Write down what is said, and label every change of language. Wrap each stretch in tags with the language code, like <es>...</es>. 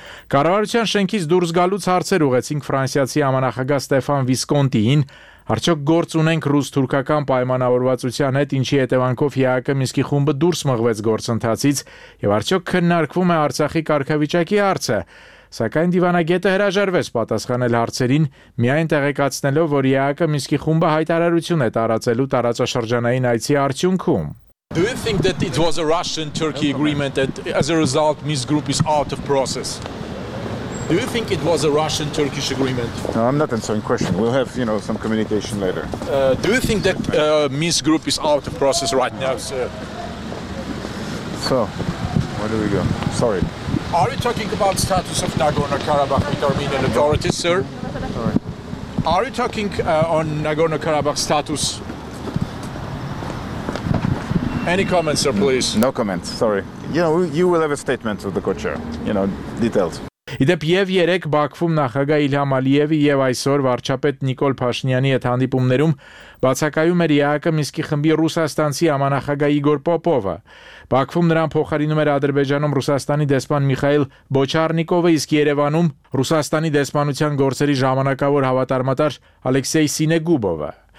<hy>Կառավարության շենքից դուրս գալուց հարցեր ուղեցինք ֆրանսիացի համանախագահ Ստեֆան Վիսկոնտիին, արդյոք գործ ունենք ռուս-թուրքական պայմանավորվածության հետ, ինչի հետևանքով ՀԱԿ Մինսկի խումբը դուրս մղվեց գործընթացից, և արդյոք քննարկվում է Արցախի կարգավիճակի հարցը։ Սակայն դիվանագետը հրաժարվեց պատասխանել հարցերին, միայն տեղեկացնելով, որ ՀԱԿ Մինսկի խումբը հայտարարություն է տարածելու տարածաշրջանային այցի արդյունքում։</hy> <en>Do you think that it was a Russian-Turkey agreement that as a result Minsk group is out of process? Do you think it was a Russian-Turkish agreement? No, I'm not answering question. We'll have, you know, some communication later. Do you think that Minsk group is out of process right now, sir? So, where do we go? Sorry. Are you talking about status of Nagorno-Karabakh with Armenian authorities, sir? Sorry. Are you talking on Nagorno-Karabakh status? Any comments, sir, please? No comments, sorry. You know, you will have a statement of the co-chair, you know, detailed.</en> <hy>Իդեպ եւ 3 Բաքվում նախագահ Իլհամ Ալիևի եւ այսօր վարչապետ Նիկոլ Փաշինյանի հետ հանդիպումներում բացակայում էր ՀԱԿ Մինսկի խմբի ռուսաստանցի համանախագահ Իգոր Պոպովը։ Բաքվում նրան փոխարինում էր Ադրբեջանում Ռուսաստանի դեսպան Միխայել Բոչարնիկովը, իսկ Երևանում Ռուսաստանի դեսպանության գործերի ժամանակավոր հավատարմատար Ալեքսեյ Սինեգուբովը։</hy>